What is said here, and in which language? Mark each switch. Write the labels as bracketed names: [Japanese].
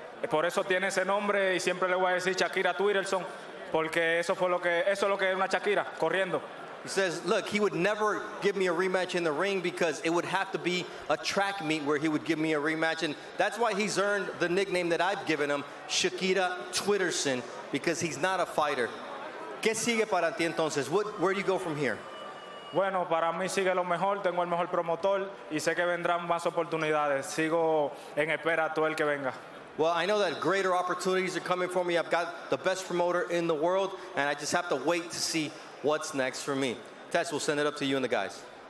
[Spanish] Por eso tiene ese nombre y siempre le voy a decir Shakira Twitterson, porque eso fue lo que, eso es lo que es una Shakira, corriendo. [English] He says, look, he would never give me a rematch in the ring because it would have to be a track meet where he would give me a rematch. And that's why he's earned the nickname that I've given him, Shakira Twitterson, because he's not a fighter. [Spanish] ¿Qué sigue para ti entonces? [English] What, where do you go from here? [Spanish] Bueno, para mí sigue lo mejor. Tengo el mejor promotor y sé que vendrán más oportunidades. Sigo en espera a todo el que venga. [English] Well, I know that greater opportunities are coming for me. I've got the best promoter in the world, and I just have to wait to see what's next for me. Tess, we'll send it up to you and the guys.